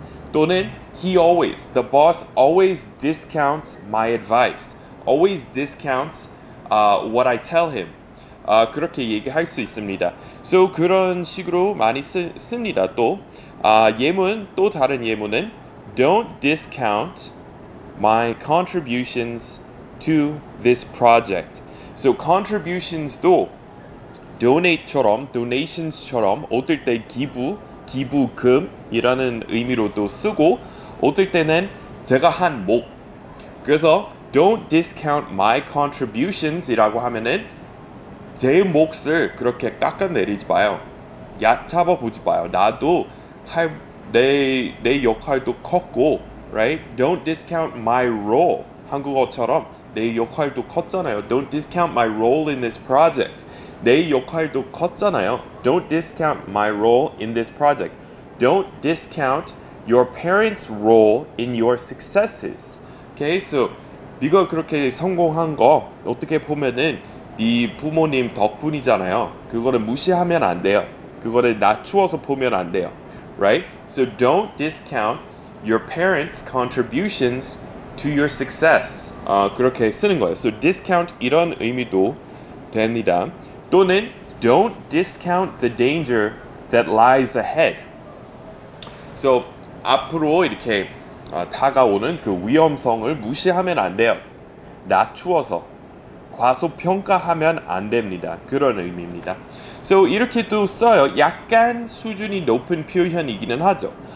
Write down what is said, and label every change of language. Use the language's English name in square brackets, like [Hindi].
[Korean] 또는 [English] he always, the boss always discounts my advice. Always discounts what I tell him. [Korean] 그렇게 얘기할 수 있습니다. So 그런 식으로 많이 씁니다. 또 예문, 또 다른 예문은 [English] don't discount my contributions to this project. [Korean] So contributions도 donate처럼, donations처럼 어떨 때 기부, 기부금이라는 의미로도 쓰고 어떨 때는 제가 한 목. 그래서 [English] don't discount my contributions [Korean] 이라고 하면은 제 몫을 그렇게 깎아내리지 마요. 얕잡아 보지 마요. 나도 할 내 역할도 컸고, [English] right? Don't discount my role. [Korean] 한국어처럼 내 역할도 컸잖아요. [English] Don't discount my role in this project. [Korean] 내 역할도 컸잖아요. [English] Don't discount my role in this project. Don't discount your parents' role in your successes. [Korean] Okay, so 네가 그렇게 성공한 거 어떻게 보면은 네 부모님 덕분이잖아요. 그거를 무시하면 안 돼요. 그거를 낮추어서 보면 안 돼요. [English] Right? So don't discount your parents' contributions to your success. [Korean] 그렇게 쓰는 거예요. So discount 이런 의미도 됩니다. 또는 [English] don't discount the danger that lies ahead. [Korean] So 앞으로 이렇게 다가오는 그 위험성을 무시하면 안 돼요. 낮추어서 과소평가하면 안 됩니다. 그런 의미입니다. So 이렇게 또 써요. 약간 수준이 높은 표현이기는 하죠.